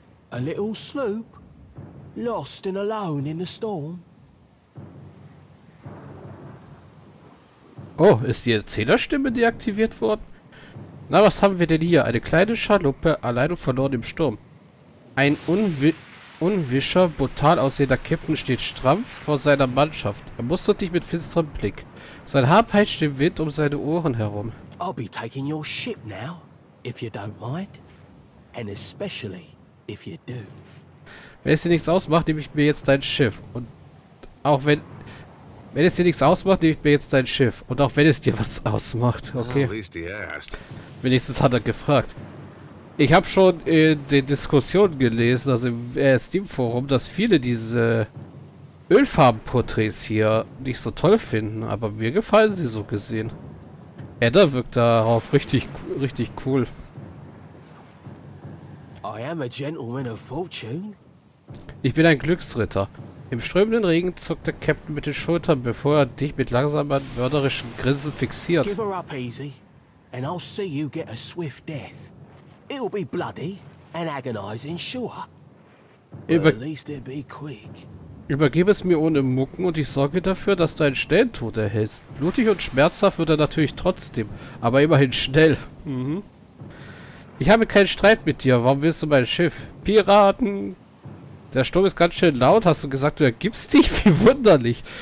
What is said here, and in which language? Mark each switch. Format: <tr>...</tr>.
<en>A little sloop, lost and alone in the storm.</en> <de>Oh, ist die Erzählerstimme deaktiviert worden? Na, was haben wir denn hier? Eine kleine Schaluppe, allein und verloren im Sturm. Ein unwischer, brutal aussehender Kapitän steht stramm vor seiner Mannschaft. Er mustert dich mit finsterem Blick. Sein Haar peitscht den Wind um seine Ohren herum.</de> <en>I'll be taking your ship now, if you don't mind. And especially, if you do.</en> <de>Wenn es dir nichts ausmacht, nehme ich mir jetzt dein Schiff. Und auch wenn... Wenn es dir nichts ausmacht, nehme ich mir jetzt dein Schiff. Und auch wenn es dir was ausmacht, okay. Wenigstens hat er gefragt. Ich habe schon in den Diskussionen gelesen, also im Steam-Forum, dass viele diese Ölfarbenporträts hier nicht so toll finden. Aber mir gefallen sie so gesehen. Edda wirkt darauf richtig, richtig cool.</de> <en>I am a gentleman of fortune.</en> <de>Ich bin ein Glücksritter. Im strömenden Regen zuckt der Captain mit den Schultern, bevor er dich mit langsamen, mörderischen Grinsen fixiert.</de> <en>Give her up easy, and I'll see you get a swift death. It'll be bloody and agonizing, sure. But at least it'll be quick.</en> <de>Übergib es mir ohne Mucken und ich sorge dafür, dass du einen schnellen Tod erhältst. Blutig und schmerzhaft wird er natürlich trotzdem, aber immerhin schnell. Ich habe keinen Streit mit dir, warum willst du mein Schiff? Piraten! Der Sturm ist ganz schön laut, hast du gesagt, du ergibst dich? Wie wunderlich.</de>